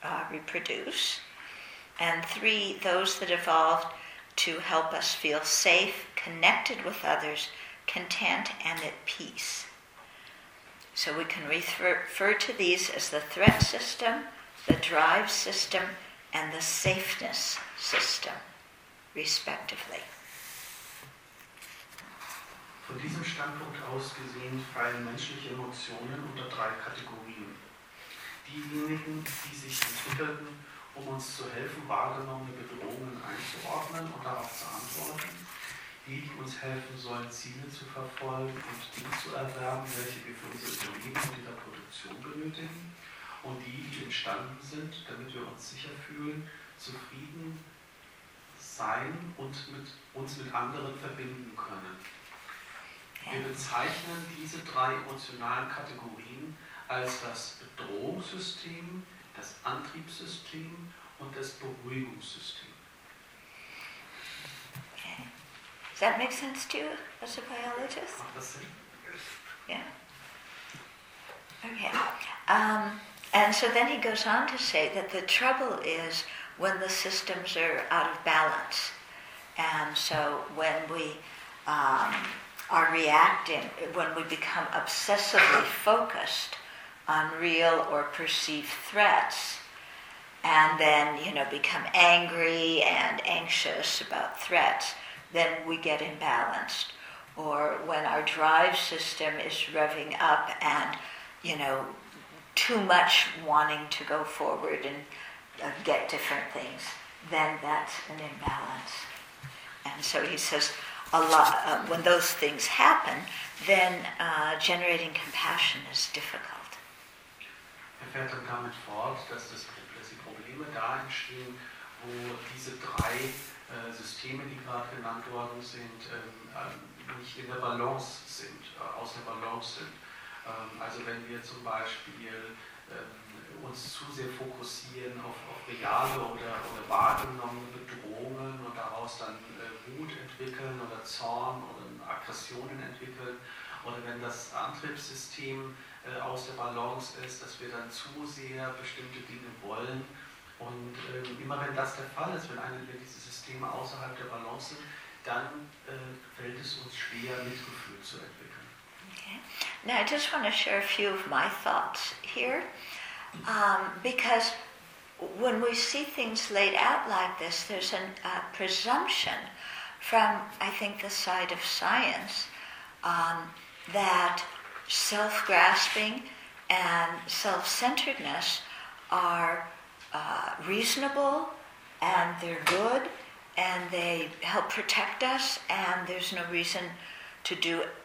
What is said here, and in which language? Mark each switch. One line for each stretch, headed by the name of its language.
English: reproduce, and three, those that evolved to help us feel safe, connected with others, content, and at peace. So we can refer to these as the threat system, the drive system, and the safeness system, respectively.
German: Von diesem Standpunkt aus gesehen fallen menschliche Emotionen unter drei Kategorien. Diejenigen, die sich entwickelten, um uns zu helfen, wahrgenommene Bedrohungen einzuordnen und darauf zu antworten. Die, die uns helfen sollen, Ziele zu verfolgen und die zu erwerben, welche wir für unser Überleben und unsere Produktion benötigen. Und die, die entstanden sind, damit wir uns sicher fühlen, zufrieden sein und mit uns mit anderen verbinden können. Wir bezeichnen diese drei emotionalen Kategorien als das Bedrohungssystem, das Antriebssystem und das Beruhigungssystem.
English: Okay. Does that make sense to you as a biologist?
German: Macht das Sinn?
English: Yeah. Okay. And so then he goes on to say that the trouble is when the systems are out of balance. And so when we are reacting, when we become obsessively focused on real or perceived threats, and then, you know, become angry and anxious about threats, then we get imbalanced. Or when our drive system is revving up and, you know, too much wanting to go forward and get different things, then that's an imbalance. And so he says, a lot when those things happen, then generating compassion is difficult.
German: Er fährt dann damit fort, dass dass die Probleme da entstehen, wo diese drei Systeme, die gerade genannt worden sind, nicht in der Balance sind, aus der Balance sind. Also wenn wir zum Beispiel uns zu sehr fokussieren auf reale oder wahrgenommene Bedrohungen und daraus dann Wut entwickeln oder Zorn oder Aggressionen entwickeln, oder wenn das Antriebssystem aus der Balance ist, dass wir dann zu sehr bestimmte Dinge wollen. Und immer wenn das der Fall ist, wenn diese Systeme außerhalb der Balance sind, dann fällt es uns schwer, Mitgefühl zu entwickeln.
English: Now, I just want to share a few of my thoughts here, because when we see things laid out like this, there's a presumption from, I think, the side of science that self-grasping and self-centeredness are reasonable and they're good and they help protect us and there's no reason to do it.